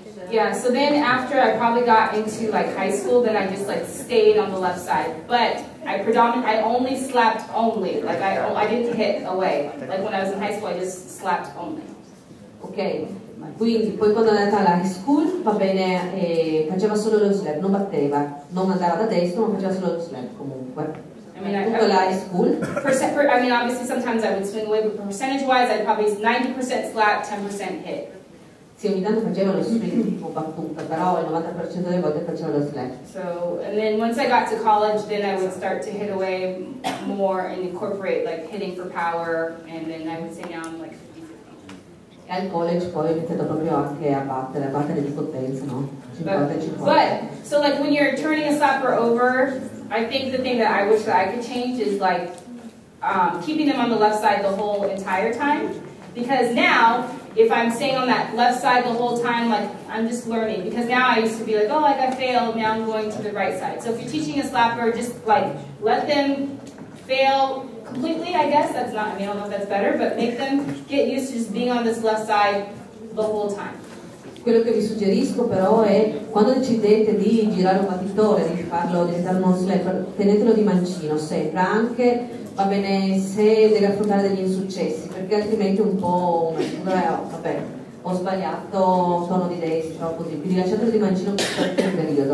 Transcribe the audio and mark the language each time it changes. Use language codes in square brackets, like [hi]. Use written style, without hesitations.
[en] Yeah, so then after I probably got into like high school, then I just like stayed on the left side. But I only slapped, I didn't hit away. Like when I was in high school, I just slapped only. [it] Okay, quindi poi quando è andata alla high school, va bene, faceva solo lo slap, non batteva. Non andava da destra, ma faceva solo lo slap comunque. [en] I mean, obviously sometimes I would swing away, but percentage-wise, I'd probably 90% slap, 10% hit. [it] Sì, ogni tanto facevo lo swing tipo battuta, però il 90% delle volte facevo lo slap. [en] So, and then once I got to college, then I would start to hit away more and incorporate like hitting for power, and then I would say now I'm like 50-50. [it] E al college poi ho iniziato proprio anche a battere di potenza, no? 50-50. [en] But, so like when you're turning a slapper over, I think the thing that I wish that I could change is like keeping them on the left side the whole entire time. Because now, if I'm staying on that left side the whole time, like I'm just learning. Because now I used to be like, oh, like I failed, now I'm going to the right side. So if you're teaching a slapper, just like let them fail completely, I guess. That's not, I mean, I don't know if that's better, but make them get used to just being on this left side the whole time. [it] Quello che vi suggerisco però è quando decidete di girare un battitore, di farlo diventare un slapper, tenetelo di mancino sempre, anche va bene se deve affrontare degli insuccessi, perché altrimenti un po' vabbè, ho sbagliato, sono di destra, così, quindi lasciatelo di mancino per un periodo.